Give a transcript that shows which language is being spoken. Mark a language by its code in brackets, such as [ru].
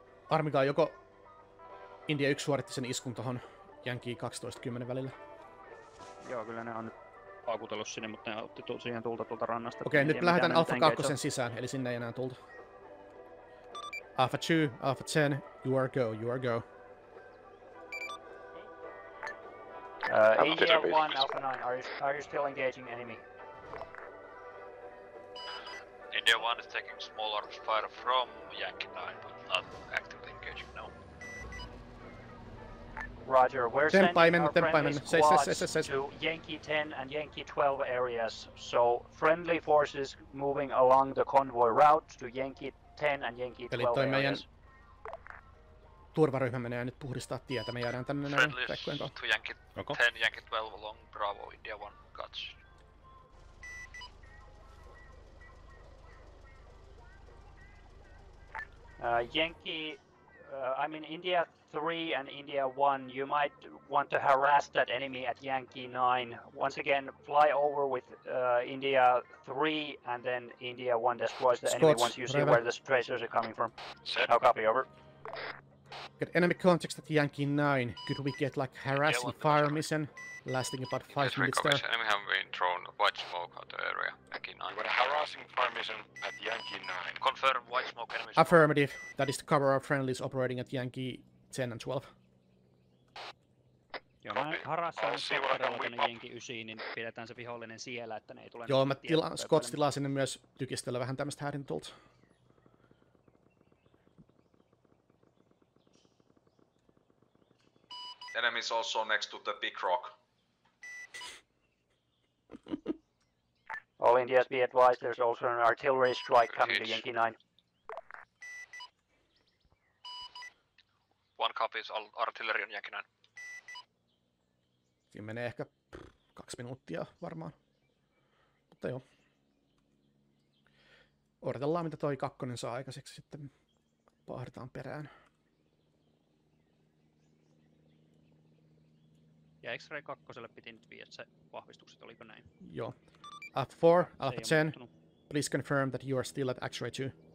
[fi] Armikaa, joko India 1 suoritti sen iskun tohon Jänkiin 12-10 välillä? Joo, kyllä ne on nyt paukutellut sinne, mutta ne otti siihen tulta tuolta rannasta. Okei, nyt lähdetään Alpha 2 sen sisään, eli sinne ei enää tulta. [en] Alpha 2, Alpha 10, you are go, you are go. India 1, Alpha 9, are you still engaging enemy? India 1 is taking small arms fire from Yankee 9, but not actively engaging, no. Roger, we're sending our friendly squads to Yankee 10 and Yankee 12 areas. So, friendly forces moving along the convoy route to Yankee 10 and Yankee 12 areas. [fi] Eli toi meidän turvaryhmä menee nyt puhdistaa tietä. Me jäädään tänne näin. [en] Friendly to Yankee 10, Yankee 12 along Bravo, India 1, got you. India 3 and India 1, you might want to harass that enemy at Yankee 9. Once again, fly over with India 3 and then India 1 destroys the squads, enemy once you see where the tracers are coming from. Now copy, over. Got enemy contacts at Yankee 9. Could we get like harass and fire mission lasting about 5 minutes there? Enemy have been thrown white smoke at the area, Yankee 9. We got a harassing fire mission at Yankee 9. Confirm white smoke enemy. Affirmative. That is to cover our friendlies operating at Yankee 10 and 12. [fi] Joo, mä harassan sotterilla Jenki 9, niin pidetään se vihollinen siellä, että ne ei tule... Joo, mä tilaan, Scott tilaa sinne myös tykistellä vähän tämmöstä häirintulta. [en] Enemy is also next to the big rock. All Indias be advised, there's also an artillery strike coming to Yankee 9. One copy is artillery on Yankee 9. [fi] Siinä menee ehkä 2 minuuttia varmaan. Mutta joo. Odotellaan mitä toi kakkonen saa aikaiseksi, sitten paahdetaan perään. Ja X-ray kakkoselle piti nyt viiä se vahvistukset, oliko näin? Joo. [en] Alpha 4, Alpha 10, please confirm that you are still at X-ray 2.